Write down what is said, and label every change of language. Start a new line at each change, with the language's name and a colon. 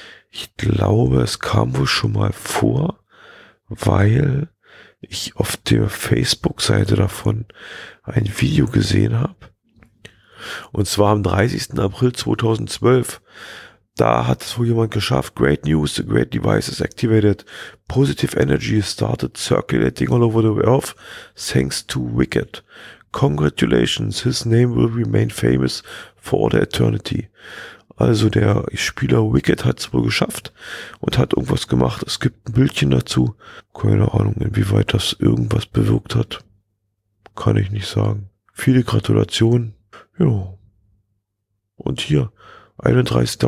German: Ich glaube, es kam wohl schon mal vor, weil ich auf der Facebook-Seite davon ein Video gesehen habe. Und zwar am 30. April 2012. Da hat es wohl jemand geschafft.
English: Great news, the great device is activated. Positive energy started circulating all over the earth thanks to Wicked. Congratulations, his name will remain famous for all the eternity.
German: Also der Spieler Wicked hat es wohl geschafft und hat irgendwas gemacht. Es gibt ein Bildchen dazu. Keine Ahnung, inwieweit das irgendwas bewirkt hat. Kann ich nicht sagen. Viele Gratulationen. Jo. Und hier, 31.